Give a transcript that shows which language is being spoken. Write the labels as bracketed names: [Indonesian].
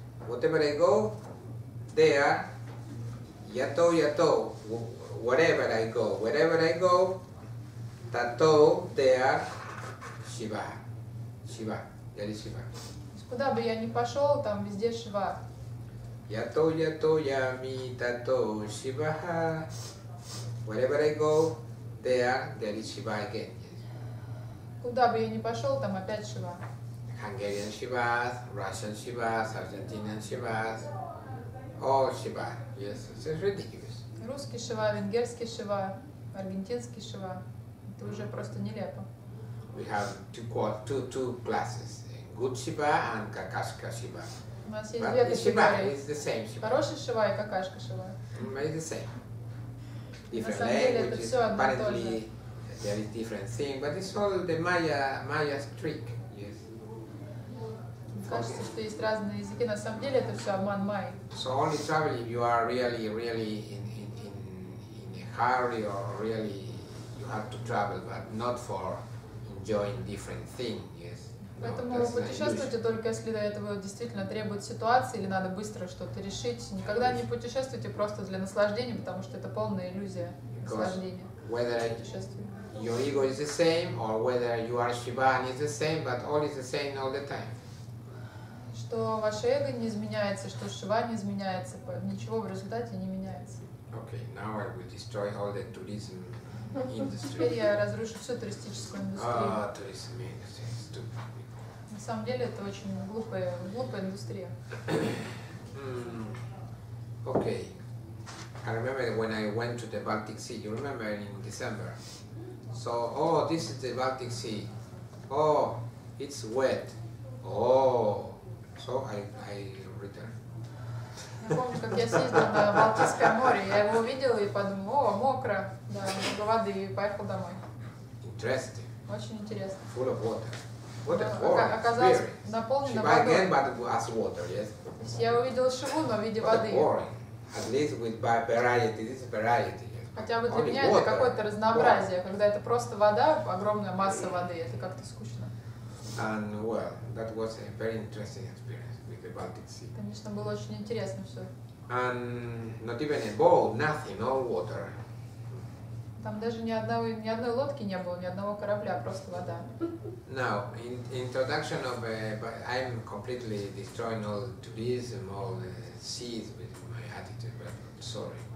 [English] Whatever I go, there, [Sanskrit] yato yato, [English] wherever I go, [Sanskrit] tato, [English] there, Shiva, Shiva, there is Shiva. [Russian] Куда бы я ни пошел, там везде Шива. [Sanskrit] Yato yato yami tato [English] Shiva, wherever I go, there is Shiva again. [Russian] Куда бы я ни пошел, там опять Шива. [English] Hungarian Shivas, Russian Shivas, Argentinian Shivas. All Shiva, yes, it's ridiculous. [Russian] Русский Шива, венгерский Шива, аргентинский Шива. Это уже просто нелепо. [English] We have two classes. Good Shiva and [Russian] Какашка [English] Шива. [Russian] У нас есть две категории. [English] Shiva is the same Shiva. [Russian] Хороший Шива и Какашка Шива. [English] It's the same. Different languages, apparently there is different thing, but it's all the Maya's trick, yes. [Russian] Кажется, что есть разные языки, на самом деле это все обман майи. [English] So only travel if you are really, really in a hurry or really you have to travel, but not for enjoying different things. [Russian] Поэтому [English] no, [Russian] путешествуйте только если до этого действительно требует ситуации или надо быстро что-то решить. Никогда не путешествуйте просто для наслаждения, потому что это полная иллюзия наслаждения. [English] Whether your ego is the same or whether you are Shivan is the same, but all is the same all the time. [Russian] Что ваше эго не изменяется, что Шива не изменяется, ничего в результате не меняется. [English] Okay, now I will destroy all the tourism industry. [Russian] Теперь я разрушу всю туристическую индустрию. [English] Tourism industry. Stupid. [Russian] На самом деле это очень глупая индустрия. [English] Okay. I remember when I went to the Baltic Sea, you remember in December? So, oh, this is the Baltic Sea. Oh, it's wet. Oh. So I return. [Russian] Я помню, как я съездил на Балтийское море. Я его увидел и подумал, о, мокро. Да, много воды, и поехал домой. [English] Interesting. [Russian] Очень интересно. [English] Full of water. What a forest. [Russian] Оказалось, наполнено водой. [English] Again, but as water, yes? [Russian] То есть я увидел Шиву, но в виде воды. [English] At least with variety, this is variety. [Russian] Хотя бы для меня это какое-то разнообразие, когда это просто вода, огромная масса воды, это как-то скучно. [English] And well, that was a very interesting experience with the Baltic Sea. [Russian] Конечно, было очень интересно все. [English] And not even a boat, nothing, no water. [Russian] Там даже ни одной лодки не было, ни одного корабля, просто вода. [English] Now, in introduction of I'm completely destroying all the tourism, all the seas with my attitude, but sorry.